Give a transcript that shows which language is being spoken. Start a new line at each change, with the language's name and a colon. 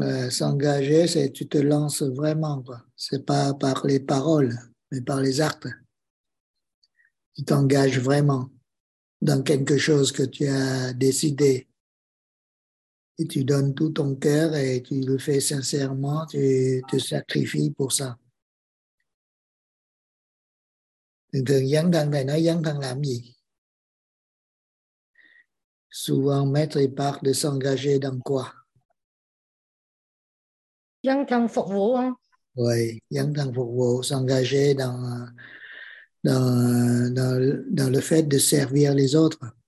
French: S'engager, c'est tu te lances vraiment, quoi. C'est pas par les paroles, mais par les actes. Tu t'engages vraiment dans quelque chose que tu as décidé. Et tu donnes tout ton cœur et tu le fais sincèrement, tu te sacrifies pour ça.
Vietnamese: Thường thường dấn thân, thầy nói dấn thân làm gì?
French: Souvent, maître parle de s'engager dans quoi?
Vietnamese: Dấn thân phục vụ không?
French: Oui,
Vietnamese: dấn thân phục vụ,
French: s'engager dans le fait de servir les autres.